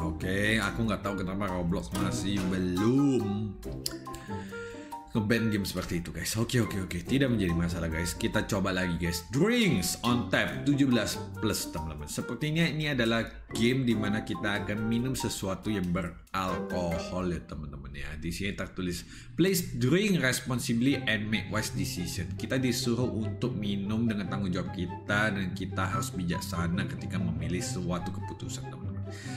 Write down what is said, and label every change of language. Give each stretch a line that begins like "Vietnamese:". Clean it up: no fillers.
Indonesian: Oke, aku nggak tahu kenapa Roblox masih belum ngeband game seperti itu guys. Oke, tidak menjadi masalah guys. Kita coba lagi guys. Drinks on tap 17 plus teman-teman. Sepertinya ini adalah game di mana kita akan minum sesuatu yang beralkohol ya teman-teman ya. Di sini tertulis
English: please drink responsibly and make wise decision.
Indonesian: Kita disuruh untuk minum dengan tanggung jawab kita dan kita harus bijaksana ketika memilih suatu keputusan teman-teman.